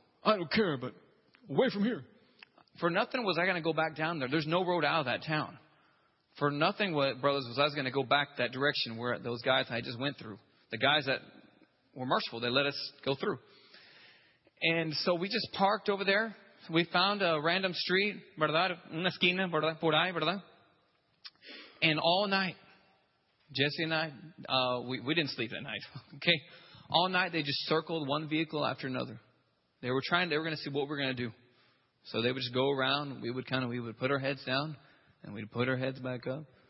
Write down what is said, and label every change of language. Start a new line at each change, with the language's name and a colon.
English: I don't care, but away from here. For nothing was I going to go back down there. There's no road out of that town. For nothing, brothers, was I going to go back that direction where those guys I just went through. The guys that were merciful. They let us go through. And so we just parked over there. We found a random street,
Spanish: ¿verdad? Una esquina, ¿verdad? Por ahí, ¿verdad?
English: And all night, Jesse and I, we didn't sleep that night, okay? All night, they just circled one vehicle after another. They were going to see what we're going to do. So they would just go around. We would put our heads down, and we'd put our heads back up.